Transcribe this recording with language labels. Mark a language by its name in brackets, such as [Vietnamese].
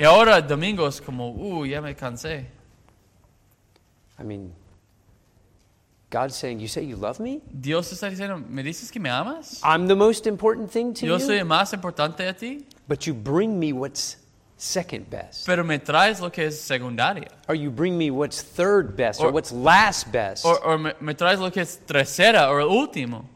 [Spanish] Y ahora domingo es como, ya me cansé. [English] I mean, God's saying, you say you love me? [Spanish] Dios está diciendo, ¿me dices que me amas? [English] I'm the most important thing to [Spanish] Yo [English] you. [Spanish] Yo soy el más importante a ti. [English] But you bring me what's second best. [Spanish] Pero me traes lo que es secundaria. [English] Or you bring me what's third best, or what's last best. Or [Spanish] me traes lo que es tercera, o último.